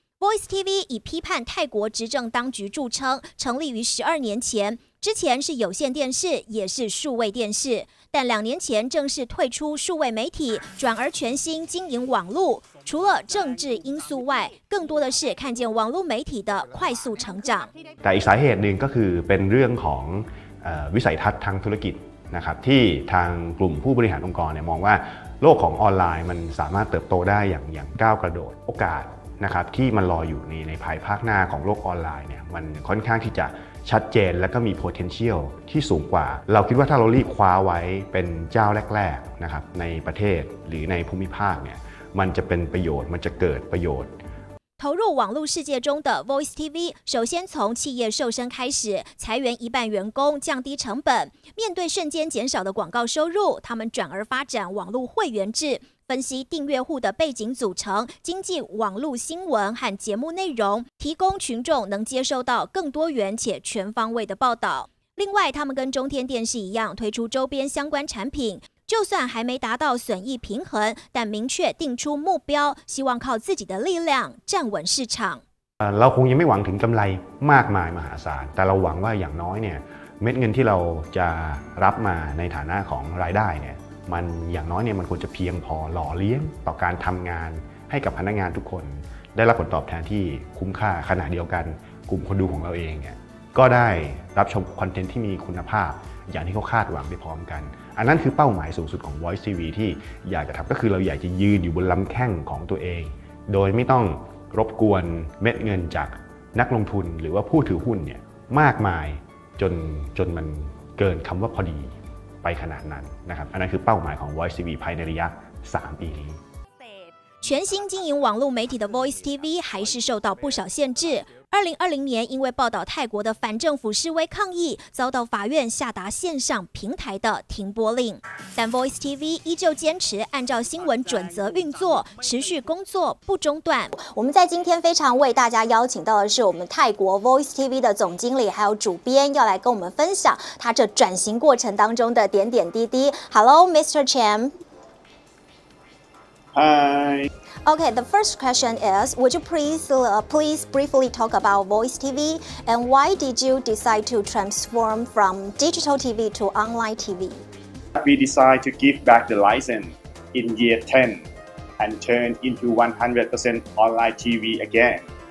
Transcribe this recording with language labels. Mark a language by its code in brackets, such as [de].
[zh] Voice TV 以批判泰国执政当局著称，成立于12年前，之前是有线电视，也是数位电视，但两年前正式退出数位媒体，转而全新经营网络。除了政治因素外，更多的是看见网络媒体的快速成长。 [th] แต่อีกสาเหตุหนึ่งก็คือเป็นเรื่องของวิสัยทัศน์ทางธุรกิจนะครับที่ทางกลุ่มผู้บริหารองค์กรเนี่ยมองว่าโลกของออนไลน์มันสามารถเติบโตได้อย่างก้าวกระโดดโอกาสนะครับที่มันรออยู่ในภายภาคหน้าของโลกออนไลน์เนี่ยมันค่อนข้างที่จะชัดเจนและก็มี potential ที่สูงกว่าเราคิดว่าถ้าเรารีบคว้าไว้เป็นเจ้าแรกๆนะครับในประเทศหรือในภูมิภาคเนี่ยมันจะเป็นประโยชน์มันจะเกิดประโยชน์ [zh] 投入网络世界中的 Voice TV 首先从企业瘦身开始，裁员一半员工，降低成本。面对瞬间减少的广告收入，他们转而发展网络会员制，分析订阅户的背景组成、经济、网络新闻和节目内容，提供群众能接收到更多元且全方位的报道。另外，他们跟中天电视一样推出周边相关产品，就算还没达到损益平衡，但明确定出目标，希望靠自己的力量站稳市场。 [th] เราคงยังไม่หวังถึงกำไรมากมายมหาศาลแต่เราหวังว่าอย่างน้อยเนี่ยเม็ดเงินที่เราจะรับมาในฐานะของรายได้เนี่ยมันอย่างน้อยเนี่ยมันควรจะเพียงพอหล่อเลี้ยงต่อการทำงานให้กับพนักงานทุกคน ได้รับผลตอบแทนที่คุ้มค่าขณะเดียวกันกลุ่มคนดูของเราเองเนี่ยก็ได้รับชมคอนเทนต์ที่มีคุณภาพอย่างที่เขาคาดหวังไปพร้อมกันอันนั้นคือเป้าหมายสูงสุดของ Voice TV ที่อยากจะทำก็คือเราอยากจะยืนอยู่บนลำแข้งของตัวเองโดยไม่ต้องรบกวนเม็ดเงินจากนักลงทุนหรือว่าผู้ถือหุ้นเนี่ยมากมายจนมันเกินคำว่าพอดีไปขนาดนั้นนะครับอันนั้นคือเป้าหมายของ Voice TV ภายในระยะ3ปีนี้ [zh] 全新经营网络媒体的 Voice TV 还是受到不少限制。 2020年，因为报道泰国的反政府示威抗议，遭到法院下达线上平台的停播令。但 Voice TV 依旧坚持按照新闻准则运作，持续工作不中断。我们在今天非常为大家邀请到的是我们泰国 Voice TV 的总经理，还有主编，要来跟我们分享他这转型过程当中的点点滴滴。 [en] Hello, Mr. Chen. Hi. Okay, the first question is, would you please briefly talk about Voice TV and why did you decide to transform from digital TV to online TV? We decided to give back the license in year 10 and turn into 100% online TV again.